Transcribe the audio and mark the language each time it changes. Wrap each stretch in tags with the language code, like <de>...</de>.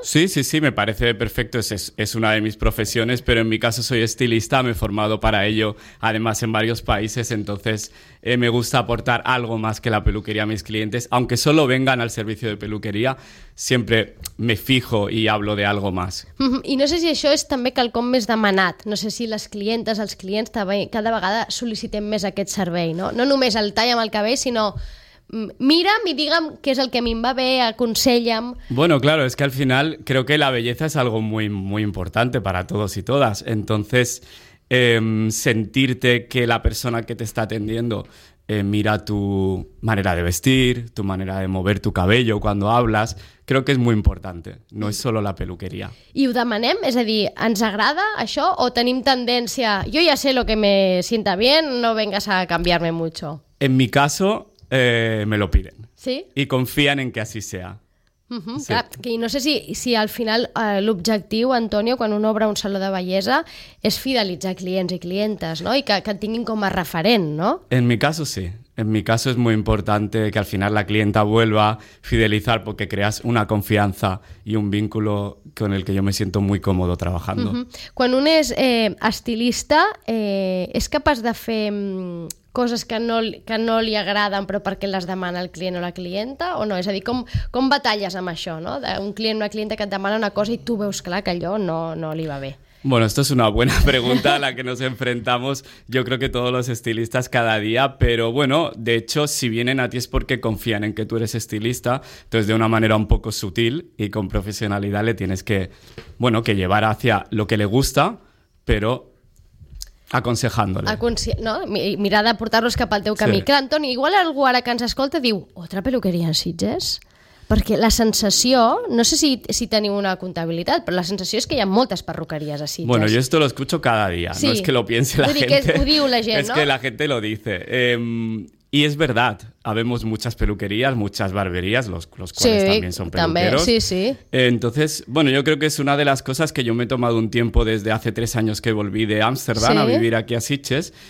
<es>Sí, me parece perfecto. Es una de mis profesiones, pero en mi caso soy estilista, me he formado para ello, además en varios países, entonces me gusta aportar algo más que la peluquería a mis clientes. Aunque solo vengan al servicio de peluquería, siempre me fijo y hablo de algo más.</es> <ca>I no sé si això és també quelcom més demanat. No sé si les clientes, els clients, cada vegada sol·licitem més aquest servei, no? No només el tall amb el cabell, sinó mira'm i digue'm què és el que a mi em va bé, aconsella'm.</ca> <es>Bueno, claro, es que al final creo que la belleza es algo muy, muy importante para todos y todas. Entonces, sentirte que la persona que te está atendiendo mira tu manera de vestir, tu manera de mover tu cabello cuando hablas, creo que es muy importante. No es solo la peluquería.</es> <ca>I ho demanem? És a dir, ens agrada això o tenim tendència...</ca> <es>Yo ya sé lo que me sienta bien, no vengas a cambiarme mucho. En mi caso... me lo piden. ¿Sí? Y confían en que así sea.</es> <ca>Sí. I no sé si al final l'objectiu, Antonio, quan un obre un saló de bellesa, és fidelitzar clients i clientes, no? I que et tinguin com a referent, no?</ca> <es>En mi caso sí. En mi caso es muy importante que al final la clienta vuelva a fidelizar porque creas una confianza y un vínculo con el que yo me siento muy cómodo trabajando. Uh-huh.</es> <ca>Quan un és estilista, és capaç de fer coses que no li agraden però perquè les demana el client o la clienta o no? És a dir, com batalles amb això, no? D'un client o una clienta que et demana una cosa i tu veus clar que allò no li va bé.</ca> <es>Bueno, esto es una buena pregunta a la que nos enfrentamos, yo creo que todos los estilistas cada día, pero bueno, de hecho, si vienen a ti es porque confían en que tú eres estilista, entonces de una manera un poco sutil y con profesionalidad le tienes que, bueno, que llevar hacia lo que le gusta, pero aconsejándole. No?</es> <ca>Mirar de portar-los cap al teu camí. Sí. Clar, Antoni, igual algú ara que ens escolta diu,</ca> <es>otra peluquería en Sitges?</es> <ca>Perquè la sensació, no sé si teniu una comptabilitat, però la sensació és que hi ha moltes perruqueries a Sitges.</ca> <es>Bueno, yo esto lo escucho cada día, sí. No es que lo piense la gente.</es> <ca>Ho diu la gent,</ca> <es>es ¿no? que la gente lo dice. Y es verdad, habemos muchas peluquerías, muchas barberías, los cuales sí, también son peluqueros. También. Sí, sí. Entonces, bueno, yo creo que es una de las cosas que yo me he tomado un tiempo desde hace 3 años que volví de Ámsterdam sí. a vivir aquí a Sitges.</es>